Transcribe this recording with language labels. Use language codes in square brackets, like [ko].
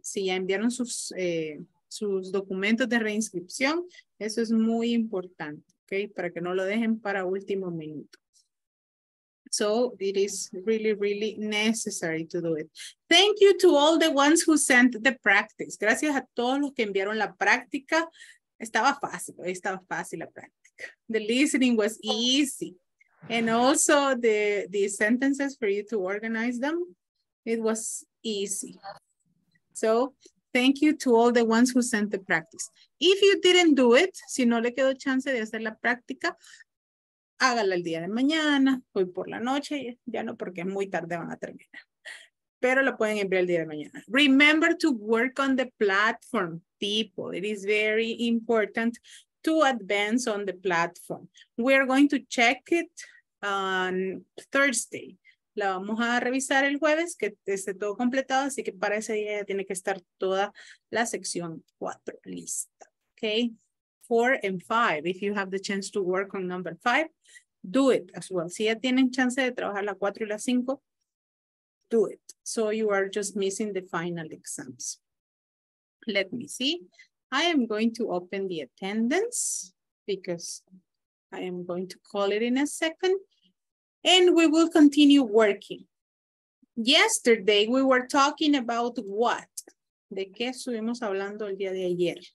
[es] Si ya enviaron sus documentos de reinscripción, eso es muy importante, okay, para que no lo dejen para último minuto. [en] So it is really, really necessary to do it. Thank you to all the ones who sent the practice. [es] Gracias a todos los que enviaron la práctica. Estaba fácil la práctica. [en] The listening was easy. And also the sentences for you to organize them, it was easy. So thank you to all the ones who sent the practice. If you didn't do it, [es] si no le quedó chance de hacer la práctica, hágala el día de mañana, hoy por la noche, ya no porque muy tarde van a terminar. Pero la pueden enviar el día de mañana. [en] Remember to work on the platform, people. It is very important to advance on the platform. We are going to check it on Thursday. [es] La vamos a revisar el jueves, que esté todo completado, así que para ese día ya tiene que estar toda la sección 4 lista. [en] Okay? 4 and 5. If you have the chance to work on number 5, do it as well. [es] Si ya tienen chance de trabajar la 4 y la 5, [en] do it. So you are just missing the final exams. Let me see. I am going to open the attendance because I am going to call it in a second and we will continue working. Yesterday we were talking about what? [es] ¿De qué estuvimos hablando el día de ayer?